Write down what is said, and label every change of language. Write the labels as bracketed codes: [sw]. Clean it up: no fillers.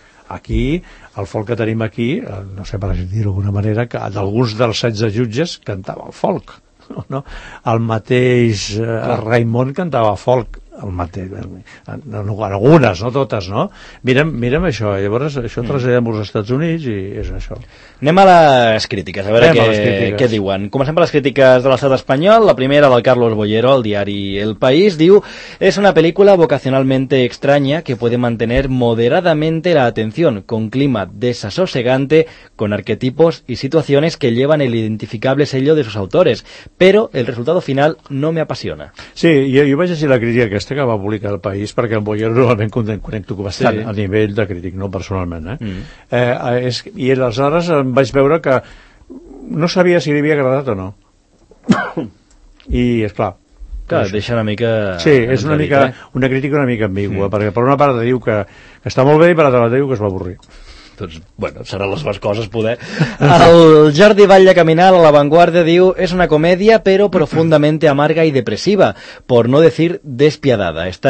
[ca] Aquí, el folk que tenim aquí, no sé per dir-ho d'alguna manera, que d'alguns dels 16 jutges cantava el folk. No, el mateix Raimon cantava folk, el mateix en algunes, no totes, no? Mirem això, llavors això traslladem als Estats Units i és això. Anem a les crítiques, a veure què diuen. Comencem per les crítiques de l'Estat espanyol. La primera, del Carlos Boyero, al diari El País, diu: [es] "Es una película vocacionalmente extraña que puede mantener moderadamente la atención, con clima desasosegante, con arquetipos y situaciones que llevan el identificable sello de sus autores, pero el resultado final no me apasiona". [ca] Sí, jo vaig llegir la crítica aquesta que va publicar El País, perquè en Boyero normalment connecto bastant, sí, a nivell de crític, no personalment, i aleshores vaig veure que no sabia si li havia agradat o no. I és clar, deixa una mica, sí, és una mica, una crítica una mica ambigua, perquè per una part diu que està molt bé i per altra part diu que es va avorrir. Doncs, bueno, seran les seves coses, poder. El Jordi Batlle Caminal, a La Vanguardia, diu: [es] "Es una comedia, pero profundamente amarga y depresiva, por no decir despiadada.